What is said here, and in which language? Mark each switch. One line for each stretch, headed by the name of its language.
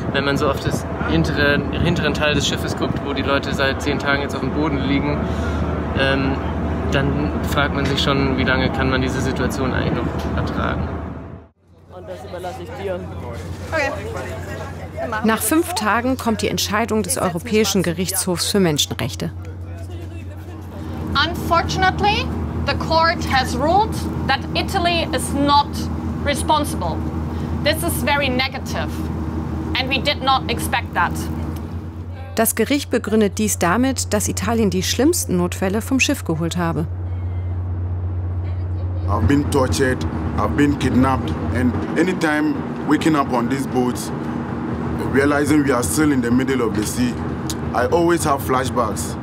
German: Wenn man so auf das hinteren Teil des Schiffes guckt, wo die Leute seit 10 Tagen jetzt auf dem Boden liegen, dann fragt man sich schon, wie lange kann man diese Situation eigentlich noch ertragen. Und das überlasse ich dir. Okay. Nach 5 Tagen kommt die Entscheidung des Europäischen Gerichtshofs für Menschenrechte.
English: Unfortunately, the court has ruled that Italy is not responsible. This is very negative and we did not expect that.
German: Das Gericht begründet dies damit, dass Italien die schlimmsten Notfälle vom Schiff geholt habe.
English: I've been tortured, I've been kidnapped and anytime waking up on these boats, realizing we are still in the middle of the sea, I always have flashbacks.